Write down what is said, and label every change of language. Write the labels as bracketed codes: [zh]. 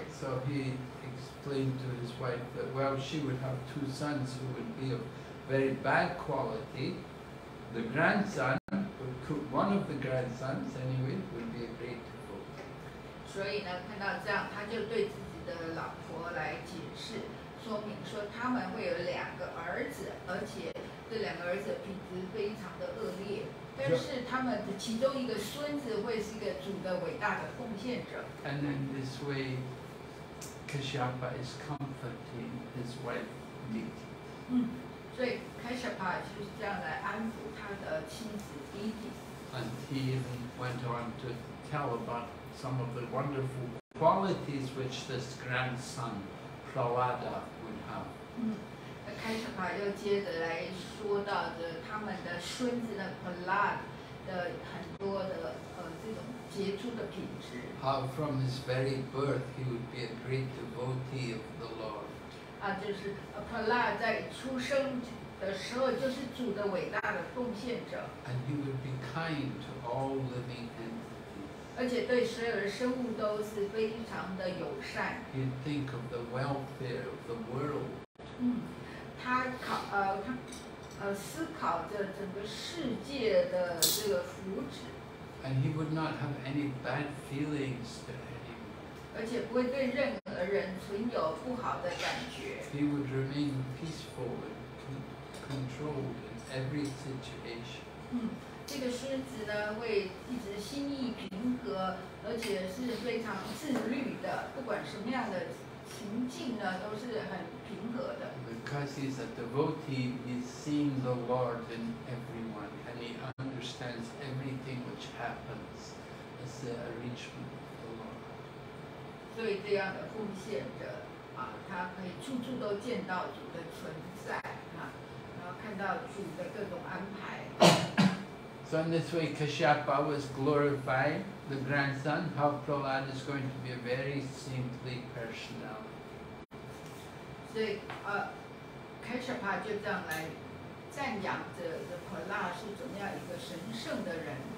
[en] So he explained to his wife that, well, she would have two sons who would be of very bad quality. The grandson, one of the grandsons anyway, would be a great cook. [zh] 所以呢，看到这样，他就对自己的老婆来解释，说明说他们会有两个儿子，而且。这两个儿子品质非常的恶劣，但是他们的其中一个孙子会是一个主的伟大的奉献者。 [en] And in this way, Kashyapa is comforting his wife Diti. [zh] 所以 Kashyapa 就是这样来安抚他的妻子 Diti. [en] And he even went on to tell about some of the wonderful qualities which this grandson, Prahlada, would have. [zh] 开始吧，又接着来说到的他们的孙子的 Prahlad 的很多的这种杰出的品质。 [en] How from his very birth he would be a great devotee of the Lord. [zh] 就是 Prahlad 在出生的时候就是主的伟大的奉献者。 [en] And he would be kind to all living entities. [zh] 而且对所有的生物都是非常的友善。 [en] He'd think of the welfare of the world. [zh] 他思考着整个世界的这个福祉。 [en] And he would not have any bad feelings to anyone. [zh] 而且不会对任何人存有不好的感觉。 [en] He would remain peaceful and controlled in every situation. [zh] 这个孙子呢，会一直心意平和，而且是非常自律的，不管什么样的。情境呢都是很平和的。 [en] Because he's a devotee, he's seen the Lord in everyone, and he understands everything which happens as the arrangement of the Lord. [zh] 所以这样的奉献者他可以处处都见到主的存在然后看到主的各种安排。 [en] So in this way, Kashyapa was glorified, the grandson, how Prahlad is going to be a very saintly personality. [zh] So, Kashyapa 就这样来赞扬着 Prahlad 是怎么样一个神圣的人。